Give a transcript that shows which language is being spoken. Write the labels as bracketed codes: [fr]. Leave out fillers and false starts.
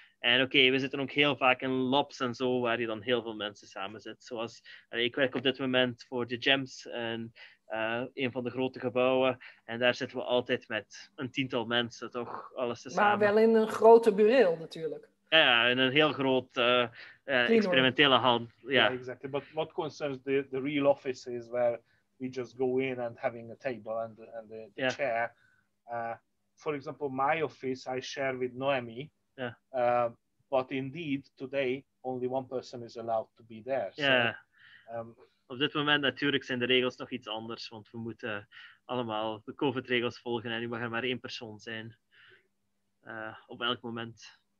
[nl] En oké, we zitten ook heel vaak in labs en zo, waar je dan heel veel mensen samen zit. Zoals, ik werk op dit moment voor de GEMS en een van de grote gebouwen. En daar zitten we altijd met een 10-tal mensen, toch? Alles te samen. Maar wel in een grote bureau, natuurlijk. Ja, in een heel groot experimentele hal. Ja, [en] exactly. But what concerns the real office is where we just go in and having a table and the chair. For example, my office I share with Noemi. But indeed, today, only one person is allowed to be there. Yeah. [nl] Op dit moment natuurlijk zijn de regels nog iets anders, want we moeten allemaal de COVID-regels volgen en je mag er maar 1 persoon zijn op elk moment.